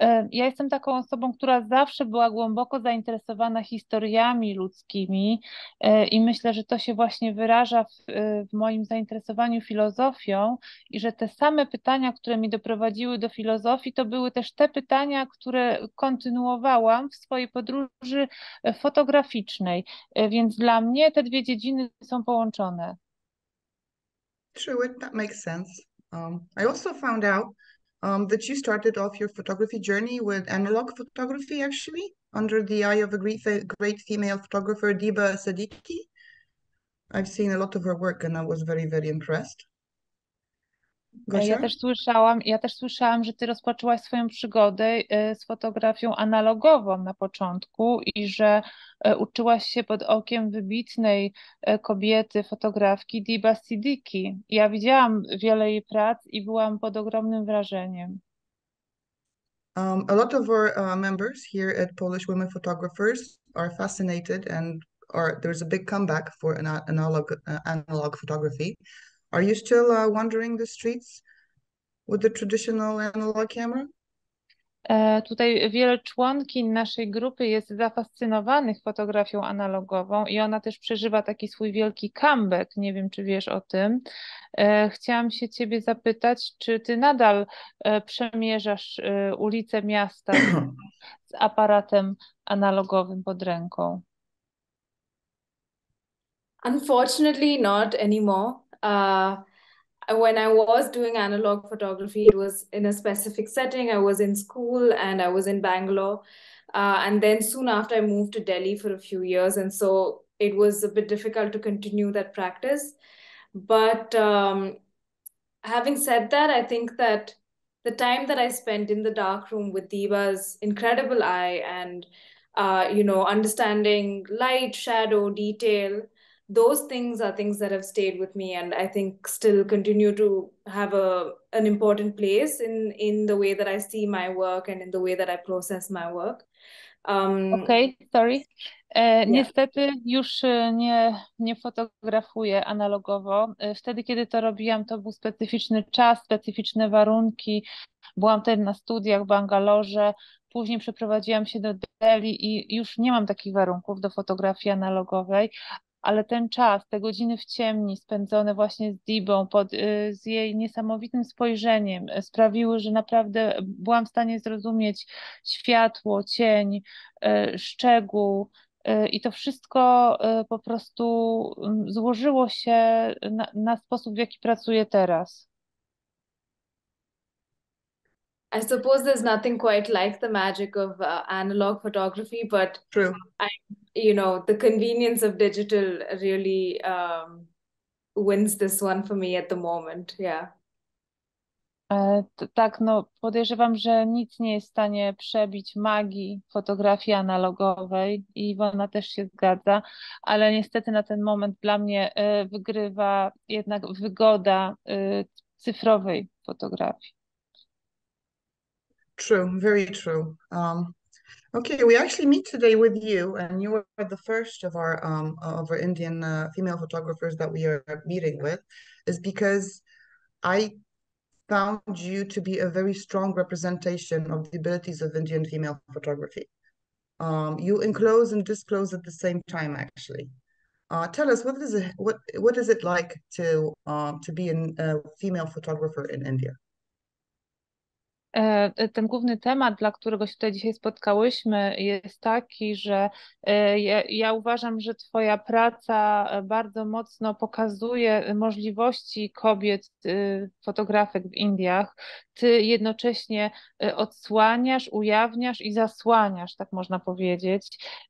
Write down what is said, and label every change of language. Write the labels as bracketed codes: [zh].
[pl] Ja jestem taką osobą, która zawsze była głęboko zainteresowana historiami ludzkimi i myślę, że to się właśnie wyraża w moim zainteresowaniu filozofią i że te same pytania, które mi doprowadziły do filozofii, to były też te pytania, które kontynuowałam w swojej podróży fotograficznej. Więc dla mnie te dwie dziedziny są połączone. [en] True, that makes sense. I also found out that you started off your photography journey with analog photography, actually, under the eye of a great female photographer, Diba Siddiqui. I've seen a lot of her work and I was very, very impressed. [pl] Ja Gosia? też słyszałam, że ty rozpoczęłaś swoją przygodę z fotografią analogową na początku i że uczyłaś się pod okiem wybitnej kobiety, fotografki Diba Siddiqui. Ja widziałam wiele jej prac i byłam pod ogromnym wrażeniem. [en] A lot of our members here at Polish Women Photographers are fascinated and are there's a big comeback for an analog photography. Are you still wandering the streets with the traditional analog camera? [pl] Tutaj wiele członkiń naszej grupy jest zafascynowanych fotografią analogową i ona też przeżywa taki swój wielki comeback. Nie wiem, czy wiesz o tym. Chciałam się ciebie zapytać, czy ty nadal przemierzasz ulice miasta z aparatem analogowym pod ręką? [en] Unfortunately, not anymore. When I was doing analog photography, it was in a specific setting. I was in school and I was in Bangalore. And then soon after, I moved to Delhi for a few years. And so it was a bit difficult to continue that practice. But having said that, I think that the time that I spent in the dark room with Diva's incredible eye and understanding light, shadow, detail, those things are things that have stayed with me and I think still continue to have an important place in the way that I see my work and in the way that I process my work. Okej, okay, sorry. [pl] Niestety już nie fotografuję analogowo. Wtedy, kiedy to robiłam, to był specyficzny czas, specyficzne warunki. Byłam wtedy na studiach w Bangalorze. Później przeprowadziłam się do Delhi i już nie mam takich warunków do fotografii analogowej, ale ten czas, te godziny w ciemni spędzone właśnie z Dibą, z jej niesamowitym spojrzeniem, sprawiły, że naprawdę byłam w stanie zrozumieć światło, cień, szczegół. I to wszystko po prostu złożyło się na sposób, w jaki pracuję teraz. [en] I suppose there's nothing quite like the magic of analog photography, but True. I, you know, the convenience of digital really wins this one for me at the moment. Yeah. [pl] Tak, no podejrzewam, że nic nie jest w stanie przebić magii fotografii analogowej i ona też się zgadza, ale niestety na ten moment dla mnie wygrywa jednak wygoda cyfrowej fotografii. [en] True, very true. Okay, we actually meet today with you, and you are the first of our Indian female photographers that we are meeting with, is because I found you to be a very strong representation of the abilities of Indian female photography. You enclose and disclose at the same time, actually. Tell us, what is it like to be a female photographer in India? [pl] Ten główny temat, dla którego się tutaj dzisiaj spotkałyśmy, jest taki, że ja uważam, że twoja praca bardzo mocno pokazuje możliwości kobiet fotografek w Indiach. Ty jednocześnie odsłaniasz, ujawniasz i zasłaniasz, tak można powiedzieć.